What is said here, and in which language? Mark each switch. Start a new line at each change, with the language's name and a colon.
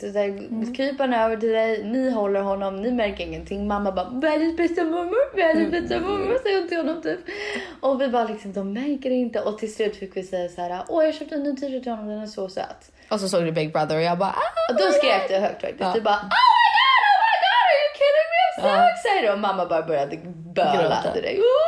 Swedish: Så där, krypar han över till dig, ni håller honom, ni märker ingenting. Mamma bara, världens bästa mormor, världens bästa mormor, säger hon till honom typ. Och vi bara liksom, de märker inte. Och till slut fick vi säga så här, åh, jag köpte en ny t-shirt till honom, den är så söt. Och så såg du Big Brother och jag bara, och då skrek du högt faktiskt. Du bara,
English: oh my God, are you kidding me? I'm so excited.
Swedish: Och mamma bara började böla till dig.